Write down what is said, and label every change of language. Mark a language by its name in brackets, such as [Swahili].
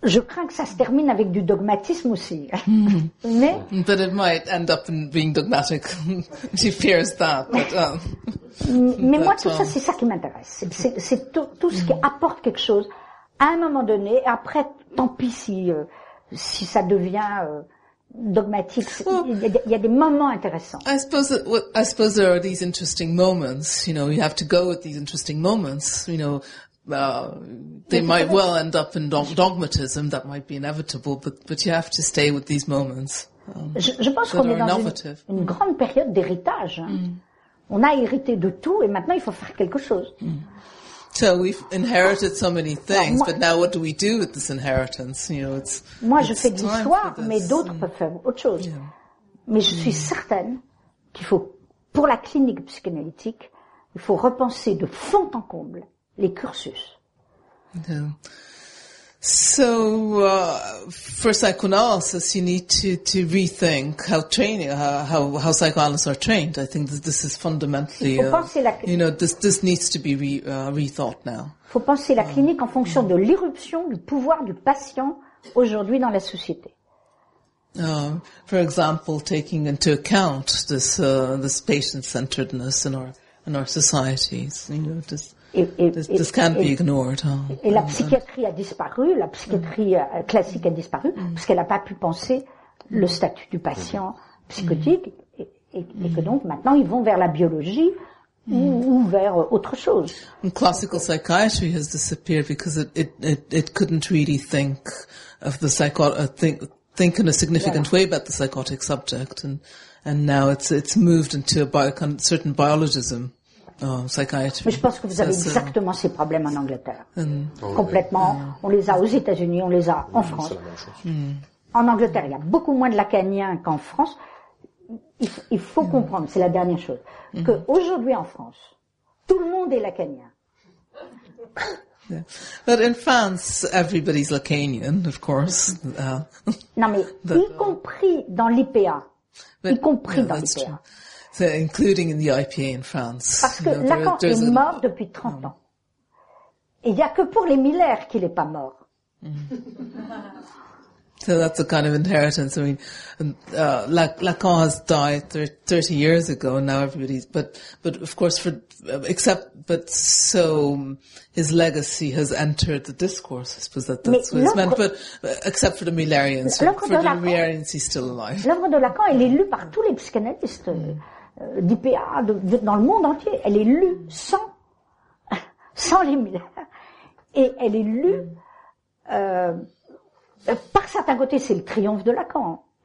[French] Je crains que ça se termine avec du dogmatisme aussi. Mais. [English] But it might end up in being dogmatic. She fears that. But, [French] mais moi, tout ça, c'est ça qui m'intéresse. C'est tout ce qui apporte quelque chose à un moment donné. Et après, tant pis si ça devient. Dogmatics. Well, y a des moments intéressants. [English] I suppose there are these interesting moments. You know, you have to go with these interesting moments. You know, they might well end up in dogmatism. That might be inevitable, but you have to stay with these moments. [French] Je pense qu'on est dans une grande période d'héritage. On a hérité de tout et maintenant il faut faire quelque chose. [English] So we've inherited so many things, but now what do we do with this inheritance? You know, it's [French] moi [English] it's [French] je fais de l'histoire, mais d'autres peuvent faire autre chose. Yeah. Mais je suis certaine qu'il faut, pour la clinique psychanalytique, il faut repenser de fond en comble les cursus. [English] So, for psychoanalysis, you need to rethink how training, how psychoanalysts are trained. I think this is fundamentally, you know, this needs to be rethought now. [French] Faut penser la clinique en fonction de l'irruption du pouvoir du patient aujourd'hui dans la société. [English] For example, taking into account this patient-centeredness in our societies, you know, just. This can't be ignored. [French] Et la psychiatrie a disparu, la psychiatrie classique a disparu, parce qu'elle n'a pas pu penser le statut du patient psychotique, et que donc maintenant ils vont vers la biologie ou vers autre chose. [English] And classical psychiatry has disappeared because it couldn't really think of the think in a significant way about the psychotic subject, and now it's moved into a certain biologism. [French] Mais je pense que vous avez exactement ces problèmes en Angleterre. Complètement. On les a aux États-Unis, on les a en France. En Angleterre, il y a beaucoup moins de lacaniens qu'en France. Il faut comprendre, c'est la dernière chose, qu'aujourd'hui en France, tout le monde est lacanien. [English] Yeah. But in France, everybody's lacanian, of course. [French] Non, mais y compris dans l'IPA. Y compris dans l'IPA. [English] True. So including in the IPA in France. [French] Parce que Lacan est mort depuis 30 ans. Et il n'y a que pour les Miller qu'il n'est pas mort. [English] So that's a kind of inheritance. I mean, Lacan has died 30 years ago, and now everybody's. But of course, his legacy has entered the discourse. I suppose that that's what it's meant. But except for the Millerians, he's still alive. [French] L'œuvre de Lacan, elle est lue par tous les psychanalystes. D'IPA, dans le monde entier, elle est lue sans les Miller, et elle est lue par certains côtés, c'est le triomphe de Lacan.